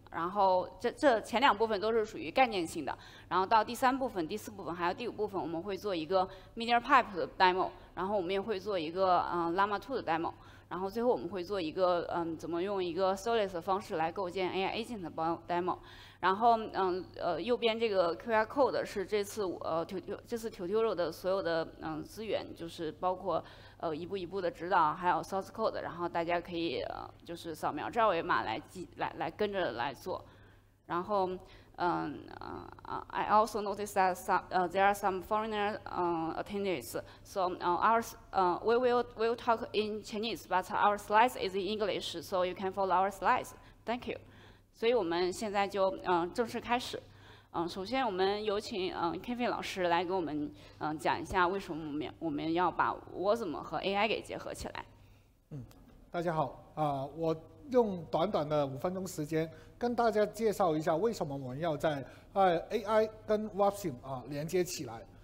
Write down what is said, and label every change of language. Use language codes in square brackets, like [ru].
[zh] 然后这前两部分都是属于概念性的，然后到第三部分、第四部分还有第五部分，我们会做一个 Media Pipe 的 demo，然后我们也会做一个Llama 2的 demo，然后最后我们会做一个怎么用一个 Solace 的方式来构建 AI Agent 的 demo。然后右边这个 QR Code 是这次 tutorial 的所有的资源，就是包括一步一步的指导，还有 source code，然后大家可以就是扫描这二维码来跟着来做。 [en] 然后I also noticed that there are some foreigner attendees, so we will talk in Chinese, but our slides is in English, so you can follow our slides. Thank you. [zh] 所以我们现在就正式开始。首先我们有请Kevin 老师来给我们讲一下为什么我们要把 Wasm 和 AI 给结合起来。大家好，我用短短的5分钟时间跟大家介绍一下为什么我们要在AI 跟 Wasm 连接起来。